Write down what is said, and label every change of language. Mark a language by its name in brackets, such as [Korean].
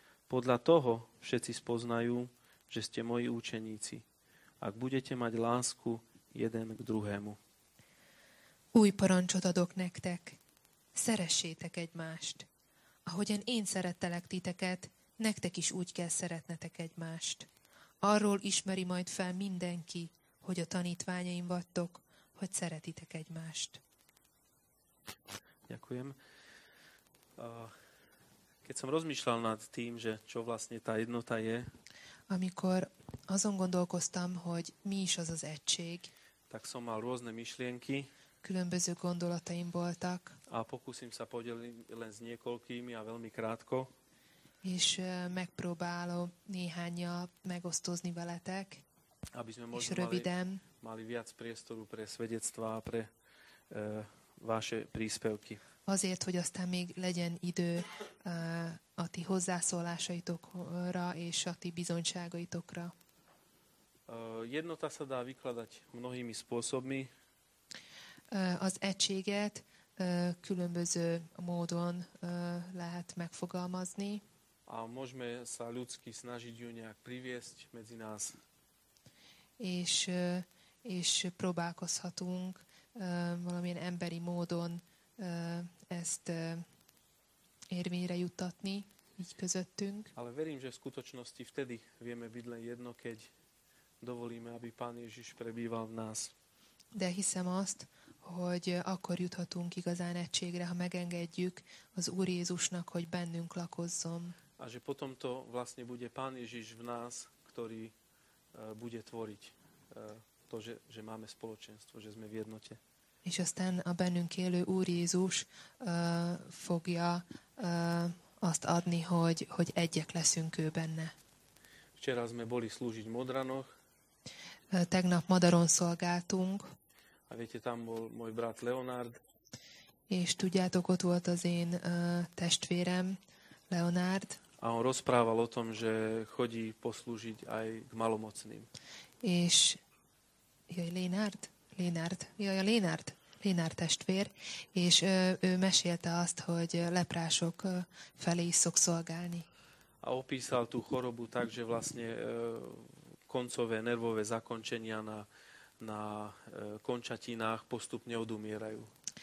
[Slovak] Podľa toho všetci spoznajú, že ste moji učeníci, ak budete mať lásku jeden k druhému. [Hungarian] Új parancsot adok nektek. Szeressétek egymást. Ahogyan én szerettelek titeket, nektek is úgy kell szeretnetek egymást. Arról ismeri majd fel mindenki, hogy a tanítványaim vagytok, hogy szeretitek egymást. [Slovak] Ďakujem. Keď som rozmýšľal nad tým, že čo vlastne tá jednota je, [Hungarian] amikor azon gondolkoztam, hogy mi is az az egység, [Slovak] tak som mal rôzne myšlienky, [Hungarian] különböző gondolataim voltak, [Slovak] a pokúsim sa podeliť len s niekoľkými a veľmi krátko, [Hungarian] és megpróbálom néhányat megosztozni veletek, [Slovak] aby sme možno mali viac priestoru pre svedectvá, pre vaše príspevky. [Hungarian] Azért, hogy aztán még legyen idő a ti hozzászólásaitokra és a ti bizonyságaitokra. [Slovak] Jednota sa dá vykladať mnohými spôsobmi. [Hungarian] Az egységet különböző módon lehet megfogalmazni. [Slovak] A môžeme sa ľudsky snažiť ju nejak priviesť medzi nás. [Hungarian] És próbálkozhatunk valamilyen emberi módon ezt érvényre juttatni így közöttünk. [Slovak] Ale verím, že v skutočnosti vtedy vieme byť len jedno, keď dovolíme, aby Pán Ježiš prebýval v nás. [Hungarian] De hiszem azt, hogy akkor juthatunk igazán egységre, ha megengedjük az Úr Jézusnak, hogy bennünk lakozzon. [Slovak] A že potom to vlastne bude Pán Ježiš v nás, ktorý bude tvoriť to, že máme spoločenstvo, že sme v jednote. [Hungarian] És aztán a bennünk élő Úr Jézus fogja azt adni, hogy egyek leszünk ő benne. [Slovak] Včera sme boli slúžiť Modranoch. [Hungarian] Tegnap Madaron szolgáltunk. [Slovak] A viete, tam bol môj brat Leonard. [Hungarian] És tudjátok, ott volt az én testvérem Leonard. [Slovak] A on rozprával o tom, že chodí poslúžiť aj k malomocným. [Hungarian] És jaj, Lénárd testvér, és ő mesélte azt, hogy leprások felé is szok szolgálni. [Slovak] A opísal tú chorobu tak, že vlastne koncové nervové zakončenia na končatinách postupne odumierajú.